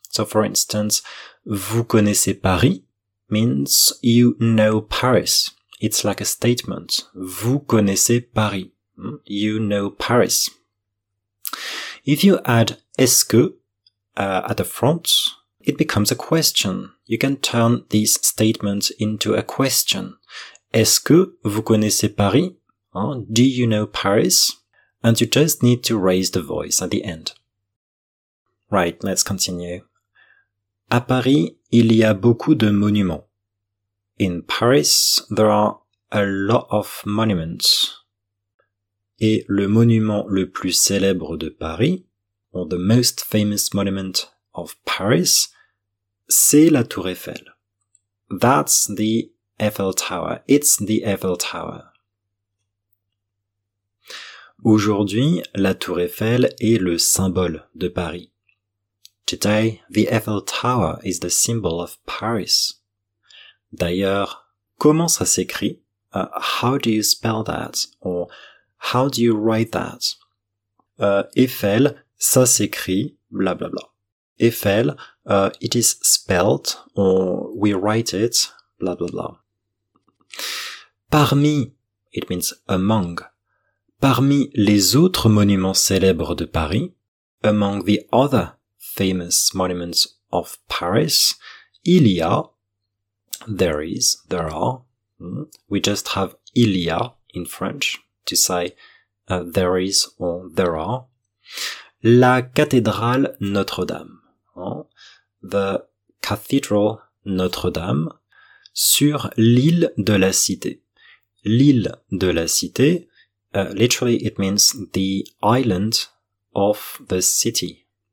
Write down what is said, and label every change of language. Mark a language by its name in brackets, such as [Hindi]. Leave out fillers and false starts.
[English] So, for instance, [French] vous connaissez Paris [English] means you know Paris. It's like a statement. [French] Vous connaissez Paris. [English] You know Paris. If you add [French] est-ce que [English] at the front, it becomes a question. You can turn this statement into a question. Est-ce que vous connaissez Paris? Do you know Paris? And you just need to raise the voice at the end. Right, let's continue. [French] À Paris, il y a beaucoup de monuments. [English] In Paris, there are a lot of monuments. [French] Et le monument le plus célèbre de Paris, [English] or the most famous monument of Paris, [French] c'est la Tour Eiffel. [English] That's the Eiffel Tower. It's the Eiffel Tower. [French] Aujourd'hui, la Tour Eiffel est le symbole de Paris. [English] Today, the Eiffel Tower is the symbol of Paris. [French] D'ailleurs, comment ça s'écrit? [English] How do you spell that? Or how do you write that? Eiffel, [French] ça s'écrit, [English] bla bla bla. Eiffel, it is spelled, or we write it, bla bla bla. Parmi, it means among. [French] Parmi les autres monuments célèbres de Paris, [English] among the other famous monuments of Paris, [French] il y a, [English] there is, there are. We just have [French] il y a [English] in French to say there is or there are. La cathédrale Notre-Dame. The cathedral Notre-Dame sur l'île de la Cité. [French] L'île de la Cité, [English] literally it means the island of the city.